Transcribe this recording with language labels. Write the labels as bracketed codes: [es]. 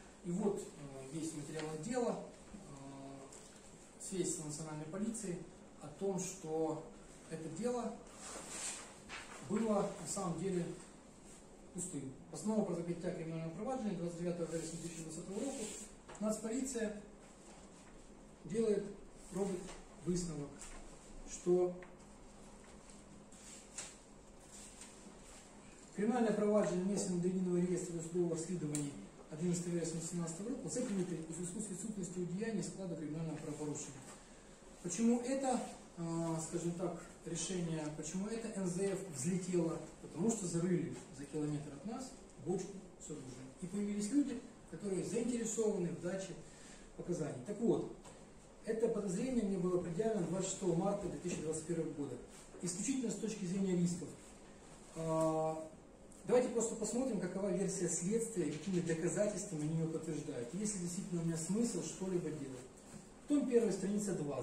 [ru] И вот есть материал отдела, свидетельство национальной полиции о том, что это дело было на самом деле пустым. Постанова про закрытие криминального провадження 29 апреля 2020 года. [uk] Нацполиция робить висновок, що кримінальне провадження, внесене до єдиного реєстру досудового розслідування 11 вересня 2017 року, закрите у зв'язку з відсутністю діяння складу кримінального правопорушення. Чому це, скажімо так, рішення, чому це НЗФ взлетіло? Тому що зарили за кілометр від нас бочку з оружием. І з'явилися люди, які заінтересовані в дачі показань. [ru] Так от, это подозрение мне было предъявлено 26 марта 2021 года. Исключительно с точки зрения рисков. Давайте просто посмотрим, какова версия следствия, какими доказательствами они ее подтверждают. Есть ли действительно у меня смысл что-либо делать. Том 1, страница 2.